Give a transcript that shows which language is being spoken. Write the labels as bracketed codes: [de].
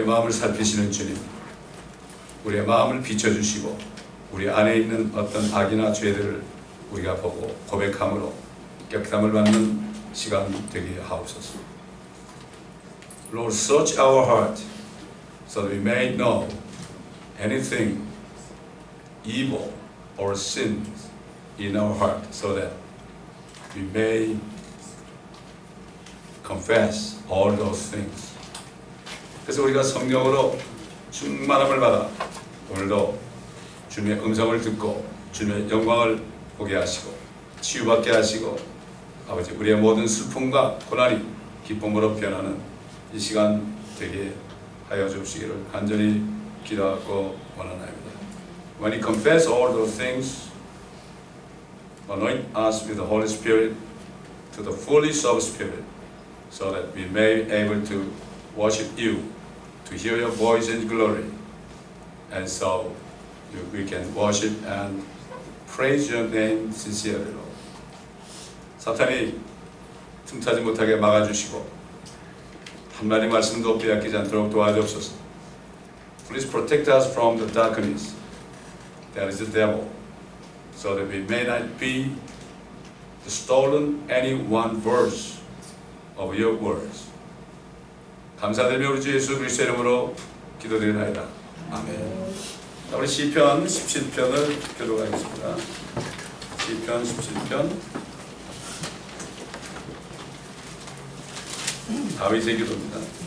[ko] 살피시는 주님, 우리의 마음을 비춰주시고 우리 안에 있는 어떤 악이나 죄들을 우리가 보고 고백함으로 깨끗함을 받는 시간 되게 하옵소서. [en] Lord, search our heart so that we may know anything evil or sin in our heart so that we may confess all those things. [ko] 그래서 우리가 성령으로 충만함을 받아 오늘도 주님의 음성을 듣고 주님의 영광을 보게 하시고 치유받게 하시고 아버지 우리의 모든 슬픔과 고난이 기쁨으로 변하는 이 시간 되게 하여 주시기를 간절히 기도하고 원하나이다. [en] When you confess all those things, anoint us with the Holy Spirit to the fullness of spirit, so that we may be able to worship you, to hear your voice and glory, and so we can worship and praise your name sincerely, Lord. [ko] 사탄이 틈타지 못하게 막아주시고 한마디 말씀도 빼앗기지 않도록 도와주옵소서. [en] Please protect us from the darkness that is the devil, so that we may not be the stolen any one verse of your words. [ko] 감사드리며 우리 주 예수 그리스도의 이름으로 기도드리나이다. 아멘. 우리 시편 17편을 교도록 하겠습니다. 시편 17편 다윗의 기도입니다.